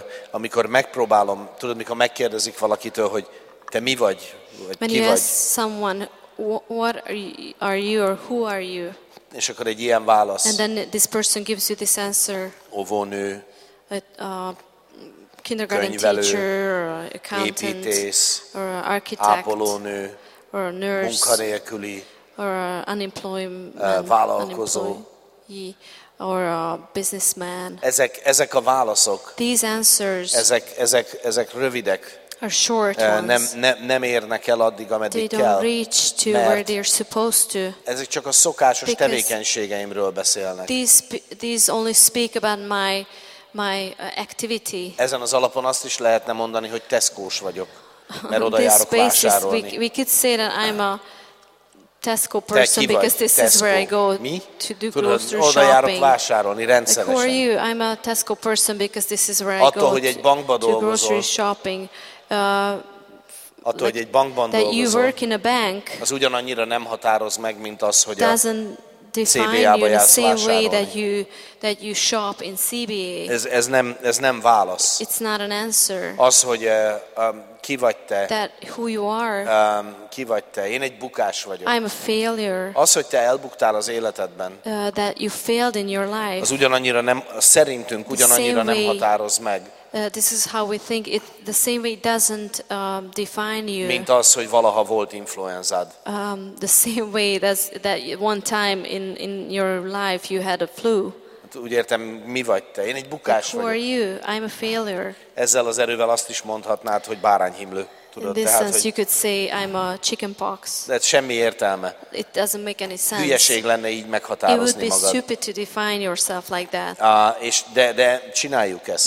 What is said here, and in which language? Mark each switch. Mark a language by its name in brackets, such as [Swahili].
[Hungarian] Amikor megpróbálom, tudod, mikor megkérdezik valakitől, hogy te mi vagy, vagy [English] when [Hungarian] ki [English] you [Hungarian] vagy. [English] Ask someone, what are you or who are you? [Hungarian] És akkor egy ilyen válasz. [English] And then this person gives you this answer. [Hungarian] Óvónő. [English] A kindergarten [Hungarian] könyvelő, [English] teacher, or accountant, [Hungarian] építész, [English] or architect, [Hungarian] ápolónő, [English] or nurse, [Hungarian] munkanélküli, [English] or unemployment, [Hungarian] vállalkozó, [English] or a businessman. [Hungarian] Ezek a válaszok. [English] These answers. [Hungarian] Ezek rövidek. [English] Are short ones. [Hungarian] Nem érnek el addig, ameddig kell. [English] They don't reach to where they're supposed to. [Hungarian] Ezek csak a szokásos tevékenységeimről beszélnek. [English] These only speak about my activity. [Hungarian] Ezen az alapon azt is lehetne mondani, hogy Tesco-s vagyok, mert oda járok vásárolni. [English] We could say that I'm a Tesco person because this Tesco is where I go [Hungarian] mi? [English] To do grocery shopping. [Hungarian] Oda járok vásárolni rendszeresen. [English] Like, who are you? I'm a Tesco person because this is where [Hungarian] attól, [English] I go [Hungarian] hogy egy bankba dolgozol, [English] to grocery shopping. [Hungarian] Attól, like, hogy egy bankban [English] that [Hungarian] dolgozol, [English] you work in a bank, [Hungarian] az ugyanannyira nem határoz meg, mint az, hogy [English] define you the same way that you shop in CBA. [Hungarian] Ez nem válasz. [English] It's not an answer. [Hungarian] Az, hogy ki vagy te. [English] That who you are. [Hungarian] Ki vagy te. Én egy bukás vagyok. [English] I'm a failure. [Hungarian] Az, hogy te elbuktál az életedben. [English] That you failed in your life. [Hungarian] Az ugyanannyira nem, szerintünk ugyanannyira nem határoz meg. [English] This is how we think it, the same way doesn't define you. [Hungarian] Mint az, hogy valaha volt influenzád. [English] The same way that one time in your life you had a flu. [Hungarian] Úgy értem, mi vagy te? Én egy bukás vagyok. [English] Who are you? I'm a failure. [Hungarian] Ezzel az erővel azt is mondhatnád, hogy bárányhimlő. Tudod, [English] in this [Hungarian] tehát, [English] sense [Hungarian] hogy [English] you could say I'm a chicken pox. [Hungarian] De ez semmi értelme. [English] It doesn't make any sense. [Hungarian] Hülyeség lenne így meghatározni magad. [English] It would be [Hungarian] magad. [English] Stupid to define yourself like that. [Hungarian] De csináljuk ezt.